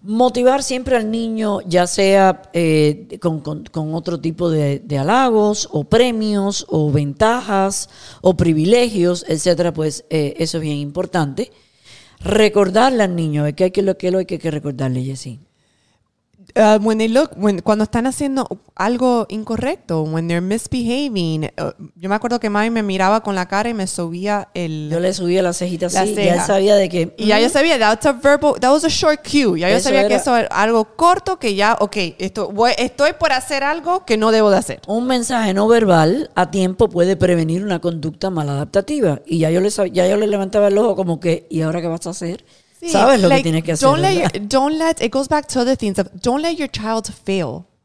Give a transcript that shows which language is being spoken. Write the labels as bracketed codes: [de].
[es] Motivar siempre al niño, ya sea con otro tipo de halagos o premios o ventajas o privilegios, etcétera, pues eso es bien importante. Recordarle al niño, ¿qué hay que recordarle, Jessy? [en] When they look, when [es] cuando están haciendo algo incorrecto, [en] when they're misbehaving, [es] yo me acuerdo que mami me miraba con la cara y me subía el... Yo le subía las cejitas así, ceja. Y ya sabía de que... Y ya yo sabía, [en] that's a verbal, that was a short cue. [es] Ya eso yo sabía era, que eso era algo corto, que ya, ok, esto, voy, estoy por hacer algo que no debo de hacer. Un mensaje no verbal a tiempo puede prevenir una conducta maladaptativa. Y ya yo le, levantaba el ojo como que, ¿y ahora qué vas a hacer? Sabes lo que tienes que hacer. [en] Don't let it goes back to other things of don't let your child fail.